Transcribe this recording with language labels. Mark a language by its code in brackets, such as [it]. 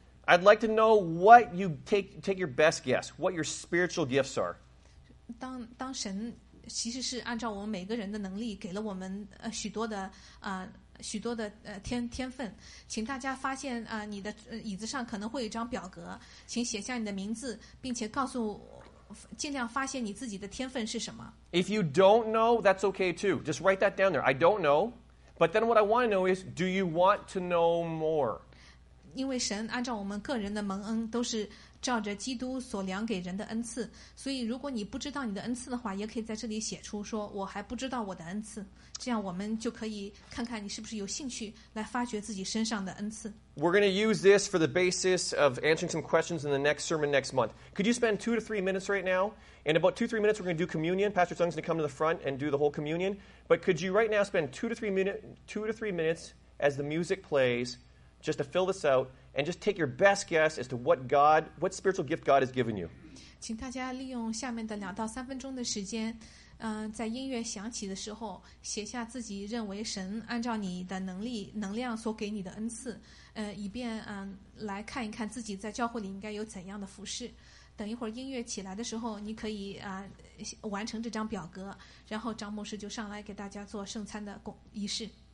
[en] I'd like to know what you take your best guess, what your spiritual gifts are. [zh] 当神其实是按照我们每个人的能力给了我们许多的许多的天分，请大家发现你的椅子上可能会有一张表格，请写下你的名字，并且告诉尽量发现你自己的天分是什么。 [en] If you don't know, that's okay too. Just write that down there. I don't know, but then what I want to know is, do you want to know more? [zh] 因为神按照我们个人的蒙恩都是。照着基督所量给人的恩赐，所以如果你不知道你的恩赐的话，也可以在这里写出说我还不知道我的恩赐，这样我们就可以看看你是不是有兴趣来发掘自己身上的恩赐。 [en] We're going to use this for the basis of answering some questions in the next sermon next month. Could you spend 2 to 3 minutes right now? In about 2-3 minutes, we're going to do communion. Pastor Sung's going to come to the front and do the whole communion. But could you right now spend 2 to 3 minutes as the music plays, just to fill this out? And just take your best guess as to what spiritual gift God has given you. [zh] 请大家利用下面的2到3分钟的时间，在音乐响起的时候，写下自己认为神按照你的能力能量所给你的恩赐，以便来看一看自己在教会里应该有怎样的服事。等一会儿音乐起来的时候，你可以完成这张表格，然后张牧师就上来给大家做圣餐的仪式。